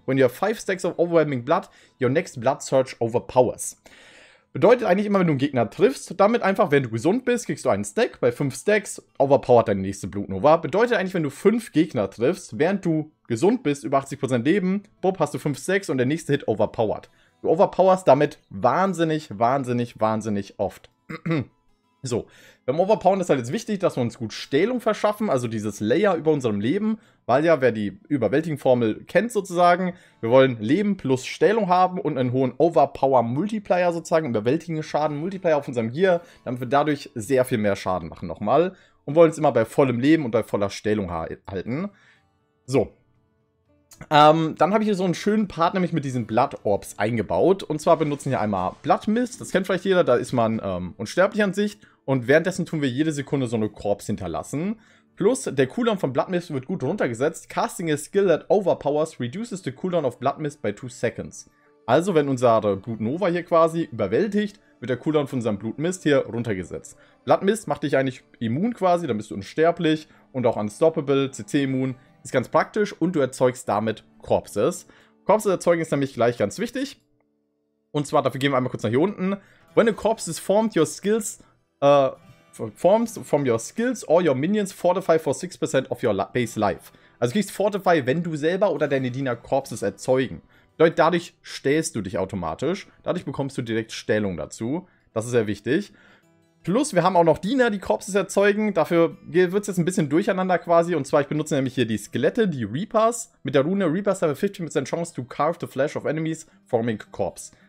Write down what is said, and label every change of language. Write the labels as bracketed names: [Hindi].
[English] When you have 5 stacks of overwhelming blood, your next Blood Surge overpowers. [German] Bedeutet eigentlich immer, wenn du einen Gegner triffst, damit einfach, wenn du gesund bist, kriegst du einen Stack. Bei 5 Stacks overpowert deine nächste Blood Nova. Bedeutet eigentlich, wenn du 5 Gegner triffst, während du gesund bist, über 80% Leben, bob, hast du 5 Stacks und der nächste Hit overpowert. Du overpowerst damit wahnsinnig, wahnsinnig, wahnsinnig oft. So, beim Overpowern ist halt jetzt wichtig, dass wir uns gut Stählung verschaffen, also dieses Layer über unserem Leben, weil ja, wer die Überwältigen-Formel kennt sozusagen, wir wollen Leben plus Stählung haben und einen hohen Overpower-Multiplier sozusagen, überwältigen Schaden-Multiplier auf unserem Gear, damit wir dadurch sehr viel mehr Schaden machen nochmal und wollen es immer bei vollem Leben und bei voller Stählung halten. So. Dann habe ich hier so einen schönen Part nämlich mit diesen Blood Orbs eingebaut. Und zwar benutzen wir einmal Blood Mist, das kennt vielleicht jeder, da ist man unsterblich an sich. Und währenddessen tun wir jede Sekunde so eine Corpse hinterlassen. Plus, der Cooldown von Blood Mist wird gut runtergesetzt. [English] Casting a skill that overpowers reduces the cooldown of Blood Mist by 2 seconds. [German] Also, wenn unser Blood Nova hier quasi überwältigt, wird der Cooldown von unserem Blood Mist hier runtergesetzt. Blood Mist macht dich eigentlich immun quasi, dann bist du unsterblich und auch unstoppable, CC-immun. Ist ganz praktisch und du erzeugst damit Corpses. Corpses erzeugen ist nämlich gleich ganz wichtig. Und zwar, dafür gehen wir einmal kurz nach hier unten. [English] When a corpse is formed, your skills, forms from your skills or your minions fortify for 6% of your base life. [German] Also kriegst Fortify, wenn du selber oder deine Diener Corpses erzeugen. Dadurch stählst du dich automatisch. Dadurch bekommst du direkt Stellung dazu. Das ist sehr wichtig. Plus, wir haben auch noch Diener, die Corpses erzeugen. Dafür wird es jetzt ein bisschen durcheinander quasi. Und zwar, ich benutze nämlich hier die Skelette, die Reapers. Mit der Rune [English] Reapers have a 15% Chance to carve the flesh of enemies, forming corpse.